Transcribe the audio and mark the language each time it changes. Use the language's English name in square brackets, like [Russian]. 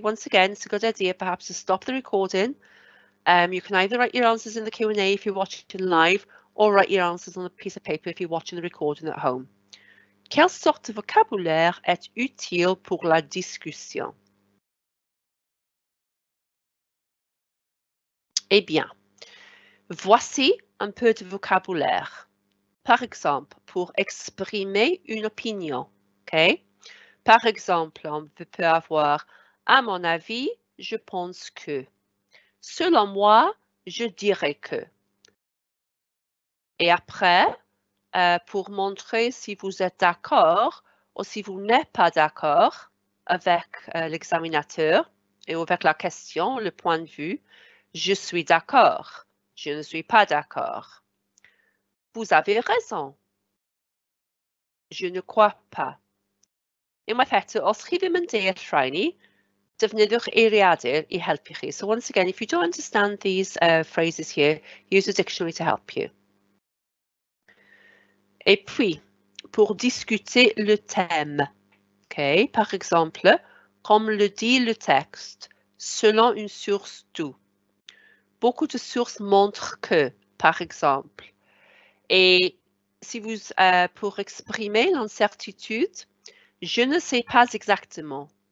[English] Once again, it's a good idea perhaps to stop the recording. You can either write your answers in the Q&A if you're watching live or write your answers on a piece of paper if you're watching the recording at home. [French] Quelle sorte de vocabulaire est utile pour la discussion? Eh bien, voici un peu de vocabulaire. Par exemple, pour exprimer une opinion. Okay? Par exemple, on peut avoir, à mon avis, je pense que. Selon moi, je dirais que. Et après, pour montrer si vous êtes d'accord ou si vous n'êtes pas d'accord avec l'examinateur et avec la question, le point de vue, je suis d'accord, je ne suis pas d'accord. Vous avez raison. Je ne crois pas. [Welsh] Unwaith eto, os chi ddim yn deall rhai ni, defnyddiwch eiriadur I helpu chi. [English] So once again, if you don't understand these phrases here, use a dictionary to help you. [French] Et puis, pour discuter le thème, okay, par exemple, comme le dit le texte, selon une source d'où. Beaucoup de sources montrent que, par exemple. Et si vous, pour exprimer l'incertitude, je ne sais pas exactement.